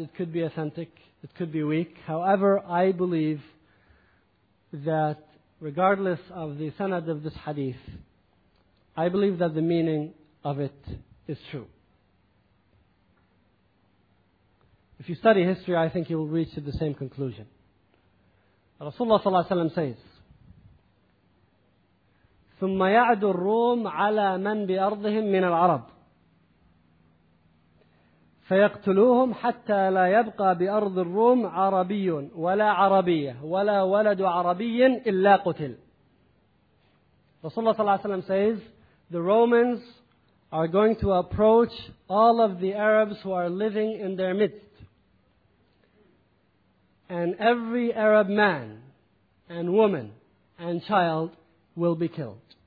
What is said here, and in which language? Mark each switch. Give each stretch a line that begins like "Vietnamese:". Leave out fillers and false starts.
English: It could be authentic, it could be weak. However, I believe that regardless of the sanad of this hadith, I believe that the meaning of it is true. If you study history, I think you will reach to the same conclusion.
Arabic: Rasulullah صلى الله عليه وسلم says, ثم يعد الروم على من بأرضهم من العرب فيقتلوهم حتى لا يبقى بأرض الروم عربي ولا عربية ولا ولد عربي إلا قتل.
English: رسول الله صلى الله عليه وسلم says, the Romans are going to approach all of the Arabs who are living in their midst. And every Arab man and woman and child will be killed.